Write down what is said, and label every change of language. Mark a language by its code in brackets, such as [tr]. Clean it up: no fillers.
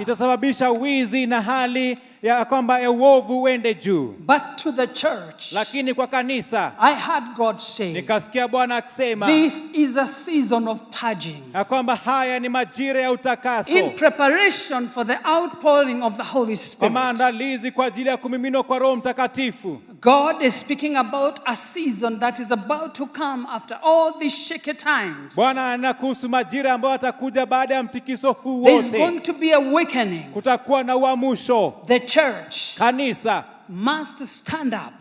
[sw] Itasababisha wizi na hali ya kwamba uovu uende juu. [en] But to the church. [sw] Lakini kwa kanisa. [en] I heard God say. [sw] Nikasikia Bwana akisema. [en] This is a season of purging. [sw] Ya kwamba haya ni majira ya utakaso. [en] In preparation for the outpouring of the Holy Spirit. [sw] Kwa maandalizi kwa ajili ya kumiminwa kwa Roho Mtakatifu. [en] God is speaking about a season that is about to come after all these shaky times. [sw] Bwana anakuhusu majira ambayo atakuja baada ya mtikiso huu wote. [en] There is going to be awakening. [sw] Kutakuwa na uamsho. [en] The church. [sw] Kanisa. [en] Must stand up.